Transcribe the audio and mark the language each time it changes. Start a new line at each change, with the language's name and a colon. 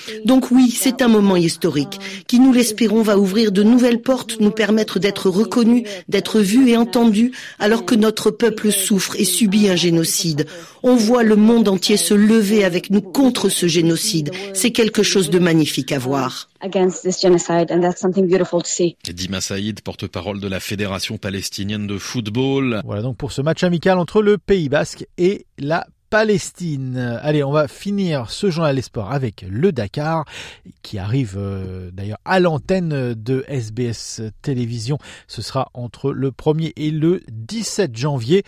French: Donc oui, c'est un moment historique qui, nous l'espérons, va ouvrir de nouvelles portes, nous permettre d'être reconnus, d'être vus et entendus alors que notre peuple souffre et subit un génocide. On voit le monde entier se lever avec nous contre ce génocide. C'est quelque chose de magnifique à voir.
English: Against this genocide, and that's something beautiful to see.
French: Dima Saïd, porte-parole de la Fédération palestinienne de football. Voilà donc pour ce match amical entre le Pays Basque et la Palestine. Allez, on va finir ce journal des sports avec le Dakar, qui arrive d'ailleurs à l'antenne de SBS Télévision. Ce sera entre le 1er et le 17 janvier.